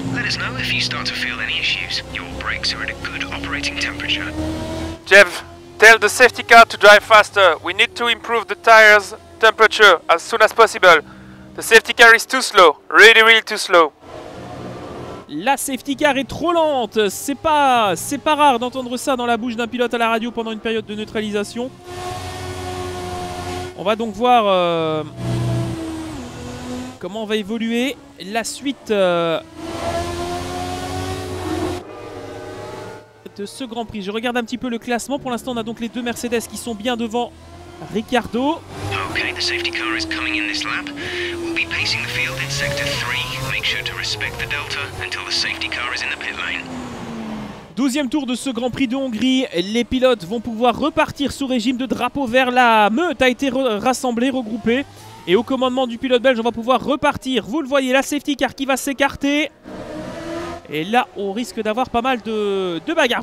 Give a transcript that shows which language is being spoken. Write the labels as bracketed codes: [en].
[en] us know if you start to feel any issues. Your brakes are at a good operating temperature. Jeff, tell the safety car to drive faster. We need to improve the tires' temperature as soon as possible. The safety car is too slow. Really, really too slow. [fr] La safety car est trop lente. C'est pas rare d'entendre ça dans la bouche d'un pilote à la radio pendant une période de neutralisation. On va donc voir comment va évoluer la suite de ce Grand Prix. Je regarde un petit peu le classement. Pour l'instant, on a donc les deux Mercedes qui sont bien devant Ricardo. [en] Ok, the safety car is coming in this lap. We'll be pacing the field in sector 3. Make sure to respect the delta until the safety car is in the pit lane. [fr] 12e tour de ce Grand Prix de Hongrie, les pilotes vont pouvoir repartir sous régime de drapeau vert. La meute a été rassemblée, regroupée. Et au commandement du pilote belge, on va pouvoir repartir. Vous le voyez, la safety car qui va s'écarter. Et là, on risque d'avoir pas mal de bagarres.